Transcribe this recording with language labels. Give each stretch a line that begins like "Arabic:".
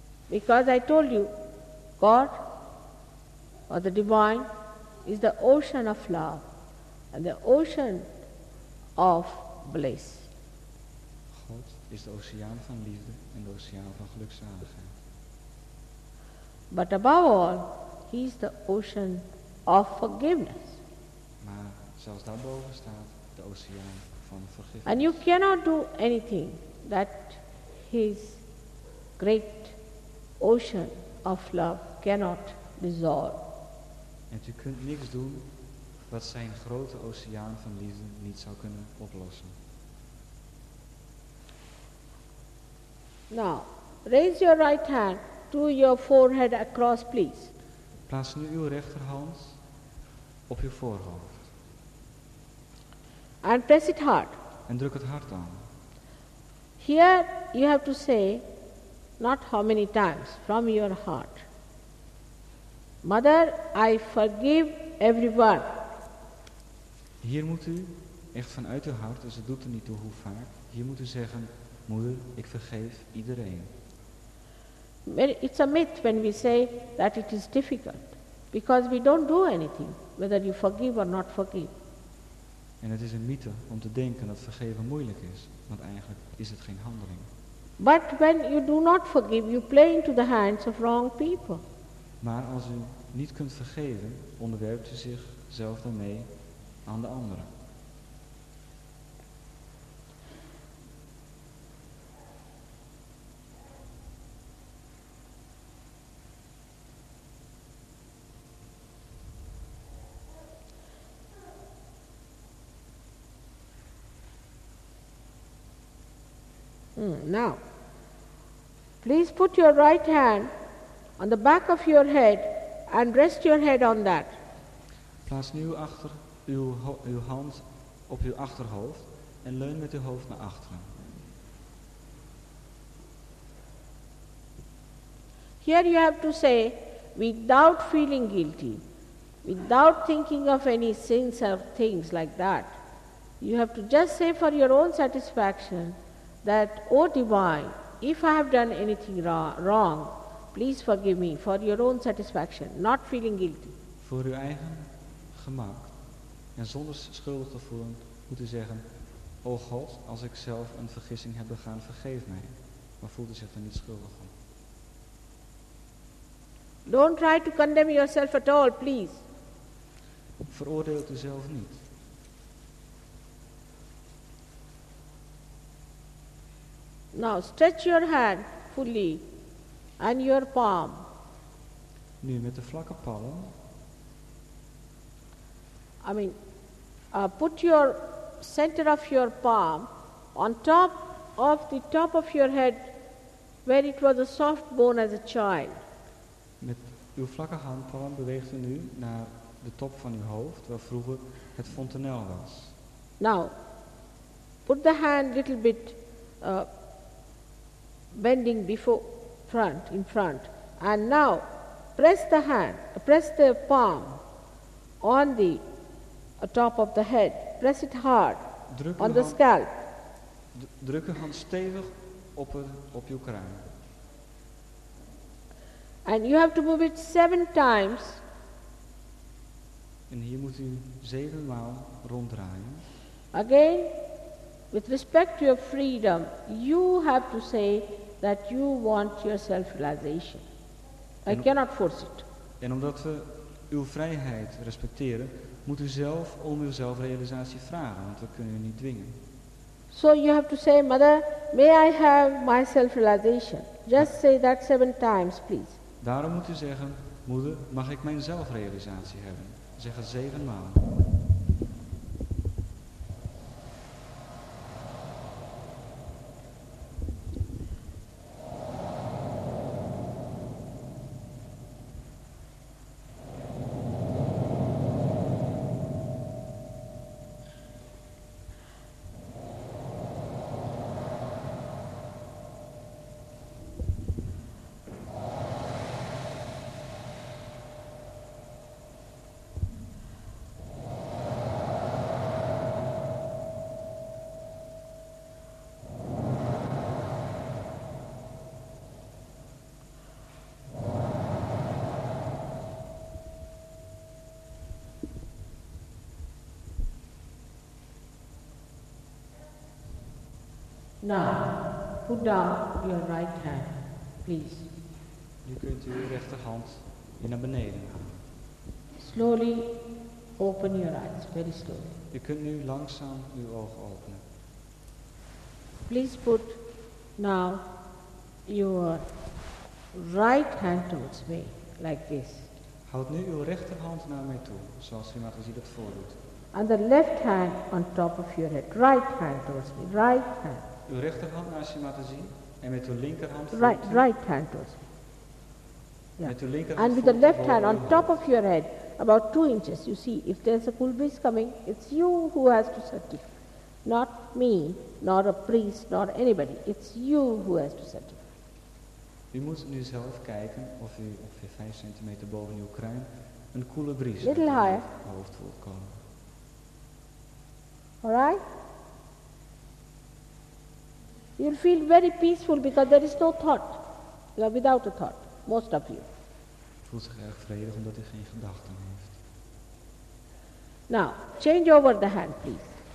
English: Because I told you, God or the Divine is the ocean of love and the ocean of bliss.
Dutch: God is de oceaan van liefde en de oceaan van gelukzaligheid.
English: But above all, he is the ocean of forgiveness.
Dutch: Maar zelfs daarboven staat de oceaan van vergiffenis.
English: And you cannot do anything that his great ocean of love cannot dissolve.
Dutch: En u kunt niks doen wat zijn grote oceaan van liefde niet zou kunnen oplossen.
English: Now, raise your right hand to your forehead across, please.
Dutch: Plaats nu uw rechterhand op uw voorhoofd.
English: And press it hard.
Dutch: En druk het hard aan.
English: Here you have to say, not how many times, from your heart. Mother, I forgive everyone.
Dutch: Hier moet u echt vanuit uw hart, dus het doet er niet toe hoe vaak. Hier moet u zeggen, Moeder, ik vergeef iedereen.
English: It's a myth when we say that it is difficult, because we don't do anything, whether you forgive or not forgive.
Dutch: En het is een mythe om te denken dat vergeven moeilijk is, want eigenlijk is het geen handeling.
English: But when you do not forgive, you play into the hands of wrong people.
Dutch: Maar als u niet kunt vergeven, onderwerpt u zichzelf daarmee aan de anderen.
English: Now, please put your right hand on the back of your head and rest your head on that.
Dutch: Plaats nu achter uw hand op uw achterhoofd en leun met uw hoofd naar achteren.
English: Here you have to say, without feeling guilty, without thinking of any sins or things like that, you have to just say for your own satisfaction that, O Divine, if I have done anything wrong, please forgive me, for your own satisfaction, not feeling guilty.
Dutch: Voor uw eigen gemak en zonder schuldig te voelen, moet u zeggen, O God, als ik zelf een vergissing heb begaan, vergeef mij. Maar voelt u zich dan niet schuldig om?
English: Don't try to condemn yourself at all, please.
Dutch: Veroordeelt u zelf niet.
English: Now stretch your hand fully and your palm.
Dutch: Nu met de vlakke palm.
English: Put your center of your palm on top of the top of your head where it was a soft bone as a child.
Dutch: Met uw vlakke handpalm beweegt u nu naar de top van uw hoofd waar vroeger het fontanel was.
English: Now put the hand little bit bending before front in front and now press the palm on the top of the head. Press it hard on the scalp.
Dutch: Druk uw hand stevig op uw kruin.
English: And you have to move it 7 times.
Dutch: En hier moet u 7 maal ronddraaien.
English: Again, with respect to your freedom, you have to say that you want your self-realization. I cannot force it.
Dutch: En omdat we uw vrijheid respecteren, moet u zelf om uw zelfrealisatie vragen, want we kunnen u niet dwingen.
English: So you have to say, Mother, may I have my self-realization? Just say that 7 times, please.
Dutch: Daarom moet u zeggen, Moeder, mag ik mijn zelfrealisatie hebben? Zeg het 7 maal.
English: Now, put down your right hand, please.
Dutch: Nu kunt u uw rechterhand in naar beneden.
English: Slowly open your eyes, very slowly.
Dutch: U kunt nu langzaam uw ogen openen.
English: Please put now your right hand towards me, like this.
Dutch: Houd nu uw rechterhand naar mij toe, zoals u maar gezien het voordoet.
English: And the left hand on top of your head, right hand towards me, right hand.
Dutch: Uw rechterhand naar Shri Mataji en met uw linkerhand
English: right hand towards me.
Dutch: Yeah. Met uw linkerhand
English: and with the left hand on top of your head, about 2 inches. You see, if there's a cool breeze coming, it's you who has to certify. Not me, nor a priest, nor anybody. It's you who has to certify.
Dutch: U moet nu zelf kijken of u ongeveer 5 centimeter boven uw kruin een koele breeze
English: little
Dutch: op
English: higher.
Dutch: Uw hoofd voelt komen.
English: All right? You'll feel very peaceful because there is no thought. You are without a thought, most of you.
Dutch: Voelt zich erg vredig omdat u geen gedachten heeft.
English: Now, change over the hand, please.